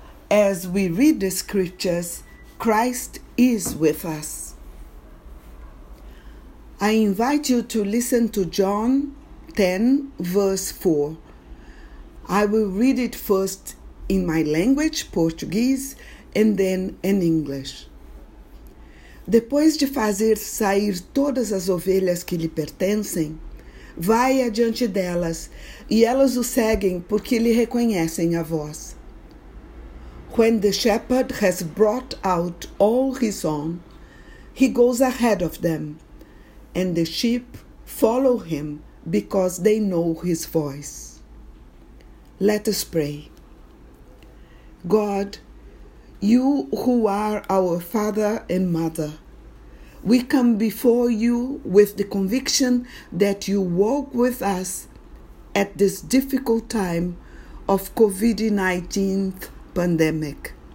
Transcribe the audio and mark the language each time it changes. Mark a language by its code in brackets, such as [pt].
[en] As we read the scriptures, Christ is with us. I invite you to listen to John 10, verse 4. I will read it first in my language, Portuguese, and then in English. [pt] Depois de fazer sair todas as ovelhas que lhe pertencem, vai adiante delas, e elas o seguem porque lhe reconhecem a voz. [en] When the shepherd has brought out all his own, he goes ahead of them, and the sheep follow him because they know his voice. Let us pray. God, you who are our father and mother, we come before you with the conviction that you walk with us at this difficult time of COVID-19 pandemic.